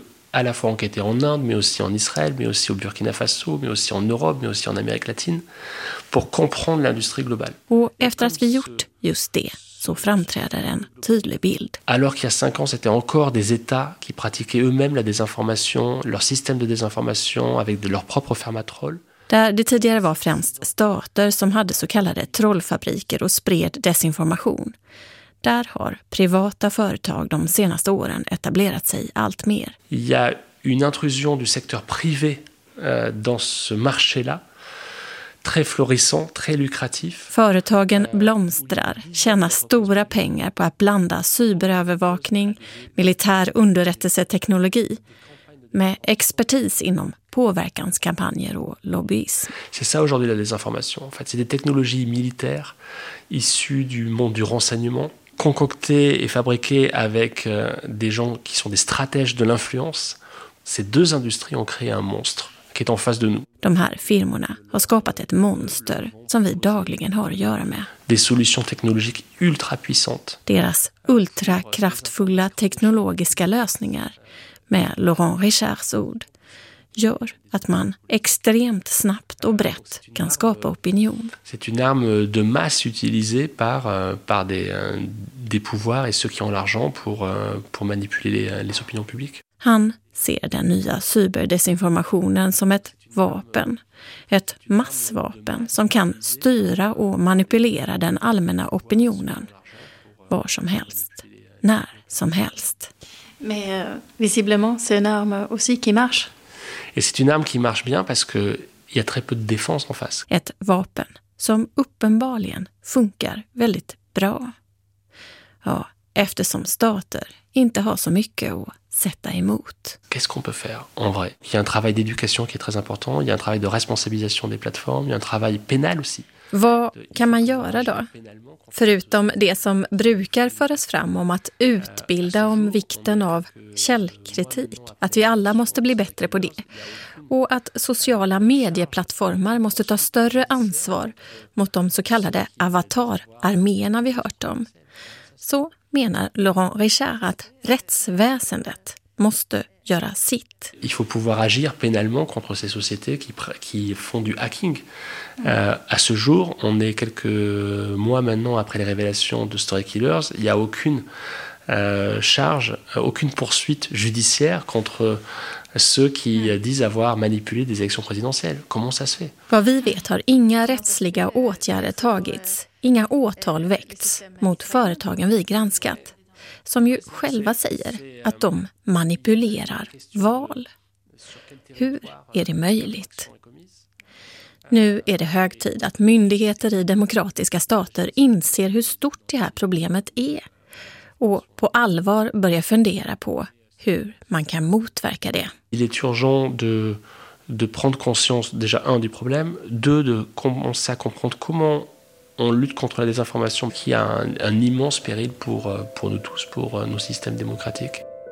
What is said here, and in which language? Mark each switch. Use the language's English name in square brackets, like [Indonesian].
[French] À la fois enquêter en Inde, mais aussi en Israël, mais aussi au Burkina Faso, mais aussi en Europe, mais aussi en Amérique latine, pour comprendre l'industrie globale. [Swedish] Och efter att vi gjort just det, så framträder en tydlig bild. [French] Alors qu'il y a 5 ans, c'était encore des États qui pratiquaient eux-mêmes la désinformation, leur système de désinformation avec de leurs propres fermatrolls. [Swedish] Där det tidigare var främst stater som hade så kallade trollfabriker och spred desinformation. Där har privata företag de senaste åren etablerat sig allt mer. [French] Il y a une intrusion du secteur privé dans ce marché-là, très florissant, très lucratif. [Swedish] Företagen blomstrar, tjänar stora pengar på att blanda cyberövervakning, militär underrättelseteknologi med expertis inom påverkanskampanjer och lobbyism. [French] C'est ça aujourd'hui la désinformation. En fait, c'est des technologies militaires issues du monde du renseignement. Concocté et fabriqué avec des gens qui sont des stratèges de l'influence, ces deux industries ont créé un monstre qui est en face de nous. [Swedish] De här firmorna har skapat ett monster som vi dagligen har att göra med. [French] Des solutions technologiques ultra puissantes. [Swedish] Deras ultra kraftfulla teknologiska lösningar, med Laurent Richards ord, gör att man extremt snabbt och brett kan skapa opinion. [French] C'est une arme de masse utilisée par des pouvoirs et ceux qui ont l'argent pour manipuler les opinions publiques. [Swedish] Han ser den nya cyberdesinformationen som ett vapen, ett massvapen som kan styra och manipulera den allmänna opinionen var som helst, när som helst. [French] Mais visiblement c'est une arme aussi qui marche. Et c'est une arme qui marche bien parce que il y a très peu de défense en face. [Swedish] Ett vapen som uppenbarligen funkar väldigt bra. Ja, eftersom stater inte har så mycket att sätta emot. [French] Qu'est-ce qu'on peut faire en vrai? Il y a un travail d'éducation qui est très important, il y a un travail de responsabilisation des plateformes, il y a un travail pénal aussi. [Swedish] Vad kan man göra då? Förutom det som brukar föras fram om att utbilda om vikten av källkritik. Att vi alla måste bli bättre på det. Och att sociala medieplattformar måste ta större ansvar mot de så kallade avatararméerna vi hört om. Så menar Laurent Richard att rättsväsendet måste göra sitt. [French] Il faut pouvoir agir pénalement contre ces sociétés qui font du hacking. À ce jour, on est quelques mois maintenant après les révélations de Story Killers, il y a aucune charge, aucune poursuite judiciaire contre ceux qui disent avoir manipulé des élections présidentielles. Comment ça se fait? [Swedish] Vad vi vet har inga rättsliga åtgärder tagits, inga åtal väckts mot företagen vi granskat. Som ju själva säger att de manipulerar val. Hur är det möjligt? Nu är det hög tid att myndigheter i demokratiska stater inser hur stort det här problemet är och på allvar börjar fundera på hur man kan motverka det. [French] Il est urgent de prendre conscience déjà un du problème, deux de commencer à comprendre comment on lutte contre la désinformation qui a un immense péril pour nous tous, pour nos systèmes démocratiques.